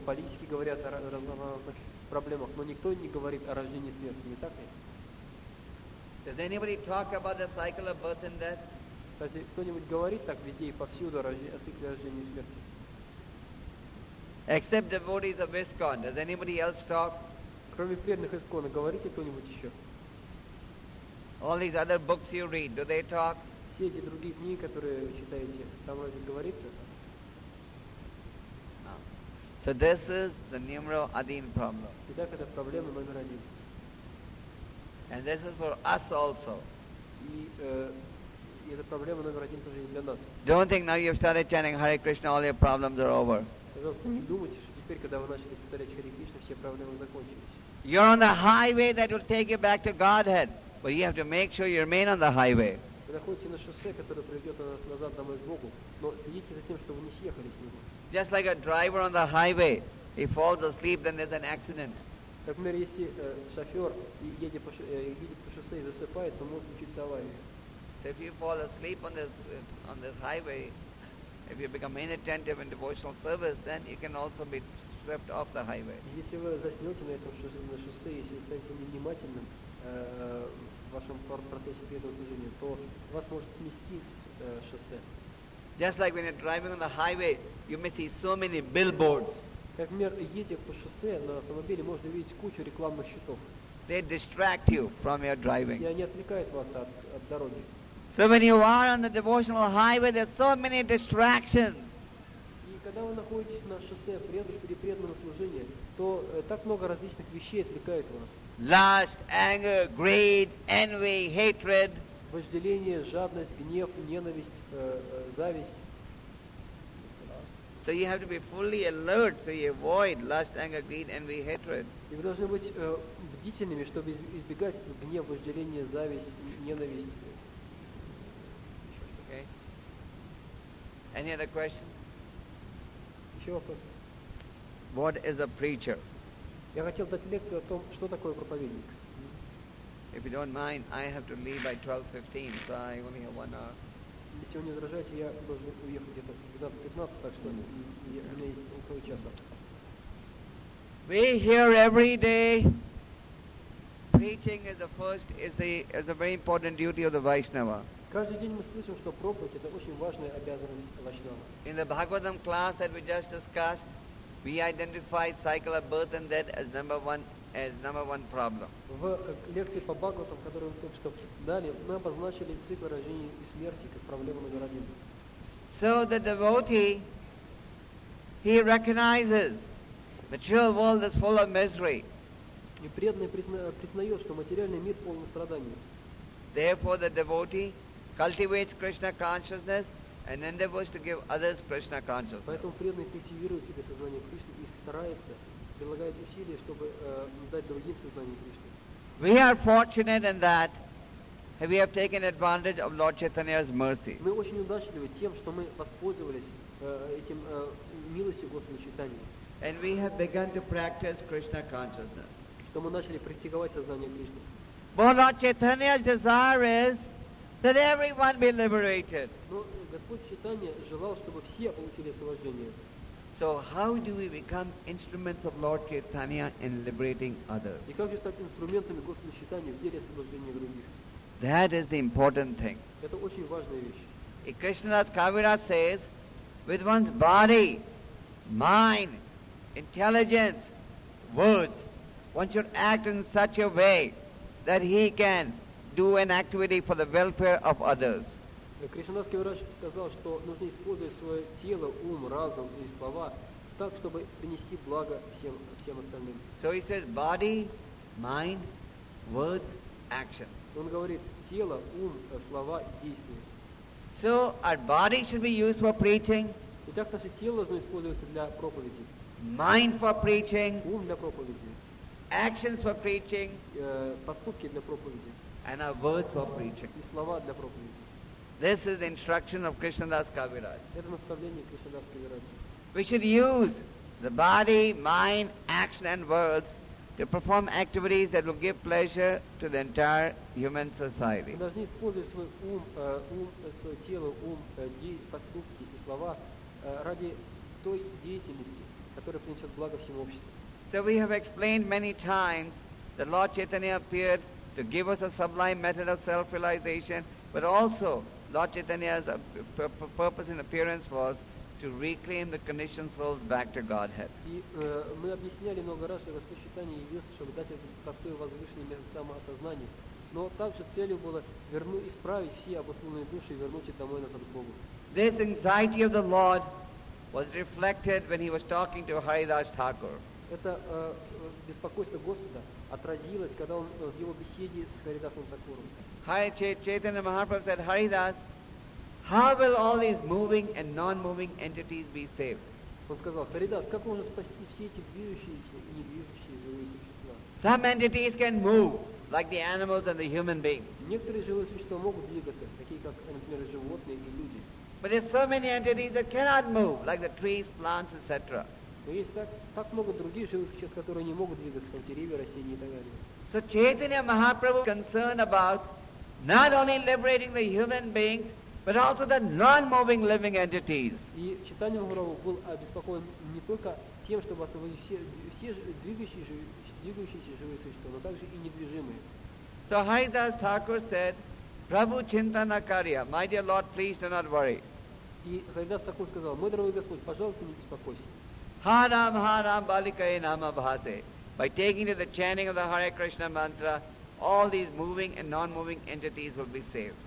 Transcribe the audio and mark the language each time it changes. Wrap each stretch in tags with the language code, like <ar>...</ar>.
<ru>Политики говорят о разнообразных проблемах, но никто не говорит о рождении и смерти, не так ли?</ru> <en>Does anybody talk about the cycle of birth and death?</en> <ru>Кстати, кто-нибудь говорит так везде и повсюду о цикле рождения и смерти?</ru> <en>Except devotees of ISKCON. Does anybody else talk?</en> <ru>Кроме преданных ISKCON, говорите кто-нибудь еще?</ru> <en>All these other books you read, do they talk?</en> <ru>Все эти другие книги, которые вы читаете, там разве говорится?</ru> <en>No. So this is the numero</en> <ru>один</ru> <en>problem.</en> <ru>Итак, это проблема номер один.</ru> <en>And this is for us also.</en> <ru>И эта проблема номер один тоже для нас.</ru> <en>Don't think now you've started chanting Hare Krishna, all your problems are over.</en> <ru>Пожалуйста, не думайте, что теперь, когда вы начали повторять Hare Krishna, все проблемы закончились.</ru> <en>You're on the highway that will take you back to Godhead, but you have to make sure you remain on the highway.</en> <ru>Вы находите на шоссе, которое приведет нас назад домой к Богу, но следите за тем, чтобы вы не съехали с него.</ru> <en>Just like a driver on the highway, he falls asleep, then there's an accident.</en> <ru>Как, например, если шофер едет по шоссе и засыпает, то может случиться авария.</ru> <en>So if you fall asleep on this highway, if you become inattentive in devotional service, then you can also be swept off the highway.</en> <ru>Если вы заснете на этом шоссе, если станете невнимательным в вашем процессе преданного служения, то вас может снести с шоссе.</ru> <en>Just like when you're driving on the highway, you may see so many billboards.</en> <ru>Как, например, едя по шоссе на автомобиле, можно видеть кучу рекламных щитов.</ru> <en>They distract you from your driving.</en> <ru>И они отвлекают вас от дороги.</ru> <en>So when you are on the devotional highway, there are so many distractions.</en> <ru>И когда вы находитесь на шоссе преданного служения, то так много различных вещей отвлекает вас.</ru> <en>Lust, anger, greed, envy, hatred.</en> <ru>Вожделение, жадность, гнев, ненависть, зависть.</ru> <en>So you have to be fully alert so you avoid lust, anger, greed, envy, hatred.</en> <ru>И вы должны быть бдительными, чтобы избегать гнева, вожделения, зависть, ненависть.</ru> <en>Okay. Any other question?</en> <ru>Еще вопрос.</ru> <en>What is a preacher?</en> <ru>Я хотел дать лекцию о том, что такое проповедник.</ru> <en>If you don't mind, I have to leave by 12:15, so I only have 1 hour.</en> <ru>Если вы не возражаете, я должен уехать где-то 12:15, так что у меня есть около часа.</ru> <en>We hear every day. Preaching is the very important duty of the Vaishnava.</en> <ru>Каждый день мы слышим, что проповедь это очень важная обязанность Вайшнава.</ru> <en>In the Bhagavatam class that we just discussed, we identified cycle of birth and death as number one problem.</en> <ru>В лекции по Бхагаватам, которую мы только что дали, мы обозначили цикл рождения и смерти как проблему номер один.</ru> <en>So the devotee, he recognizes material world is full of misery.</en> <ru>И преданный признает, что материальный мир полон страданий.</ru> <en>Therefore, the devotee cultivates Krishna consciousness and endeavors to give others Krishna consciousness.</en> <ru>Поэтому преданный культивирует себе сознание Кришны и старается, прилагает усилия, чтобы дать другим сознание Кришны.</ru> <en>We are fortunate in that we have taken advantage of Lord Chaitanya's mercy.</en> <ru>Мы очень удачливы тем, что мы воспользовались этим милостью Господа Чайтаньи.</ru> <en>And we have begun to practice Krishna consciousness.</en> <ru>Что мы начали практиковать сознание Кришны.</ru> <en>But Lord Chaitanya's desire is that everyone be liberated.</en> <ru>Но Господь Чайтанья желал, чтобы все получили освобождение.</ru> <en>So how do we become instruments of Lord Chaitanya in liberating others?</en> <ru>И как же стать инструментами Господа Чайтанья в деле освобождения других?</ru> <en>That is the important thing.</en> <ru>Это очень важная вещь.</ru> <en>Krishnadas Kaviraj says, with one's body, mind, intelligence, words, one should act in such a way that he can do an activity for the welfare of others.</en> <ru>Кришнадас Кавирадж сказал, что нужно использовать свое тело, ум, разум и слова так, чтобы принести благо всем остальным.</ru> <en>So he says, body, mind, words, action.</en> <ru>Он говорит, тело, ум, слова, действия.</ru> <en>So our body should be used for preaching.</en> <ru>Итак, наше тело должно использоваться для проповеди.</ru> <en>Mind for preaching.</en> <ru>Ум для проповеди.</ru> <en>Actions for preaching.</en> <ru>Поступки для проповеди.</ru> <en>And our words for preaching.</en> <ru>И слова для проповеди.</ru> <en>This is the instruction of Krishnadas Kaviraj.</en> <ru>Это наставление Кришнадас Кавирадж.</ru> <en>We should use the body, mind, action and words to perform activities that will give pleasure to the entire human society.</en> <ru>Мы должны использовать свой ум, свое тело, ум, поступки и слова ради той деятельности, которая принесет благо всему обществу.</ru> <en>So we have explained many times that Lord Chaitanya appeared to give us a sublime method of self-realization, but also Lord Chaitanya's purpose and appearance was to reclaim the conditioned souls back to Godhead.</en> <ru>И мы объясняли много раз, что Господь Чайтанья явился, чтобы дать этот простой возвышенный метод самоосознания. Но также целью было вернуть, исправить все обусловленные души и вернуть их домой назад к Богу.</ru> <en>This anxiety of the Lord was reflected when he was talking to Haridas Thakur.</en> <ru>Это беспокойство Господа отразилось, когда он в его беседе с Харидасом Такуром.</ru> <en>Chaitanya Mahaprabhu said, Haridas, how will all these moving and non-moving entities be saved?</en> <ru>Он сказал, Харидас, как можно спасти все эти движущиеся и недвижущие живые существа?</ru> <en>Some entities can move, like the animals and the human being.</en> <ru>Некоторые живые существа могут двигаться, такие как, например, животные и люди.</ru> <en>But there's so many entities that cannot move, like the trees, plants, etc.</en> <ru>Но есть так много других живых существ, которые не могут двигаться, как деревья, растения и так далее.</ru> <en>So Chaitanya Mahaprabhu was concerned about not only liberating the human beings, but also the non-moving living entities.</en> <ru>И Чайтанья Махапрабху был обеспокоен не только тем, чтобы освободить все движущиеся живые существа, но также и недвижимые.</ru> <en>So Haridas Thakur said,</en> <sa>Prabhu Chintana Karya,</sa> <en>my dear Lord, please do not worry.</en> <ru>И Харидас Такур сказал, мой дорогой Господь, пожалуйста, не беспокойся.</ru> <sa>Харам, харам, баликай, нама, бхасе.</sa> <en>By taking to the chanting of the Hare Krishna mantra, all these moving and non-moving entities will be saved.</en>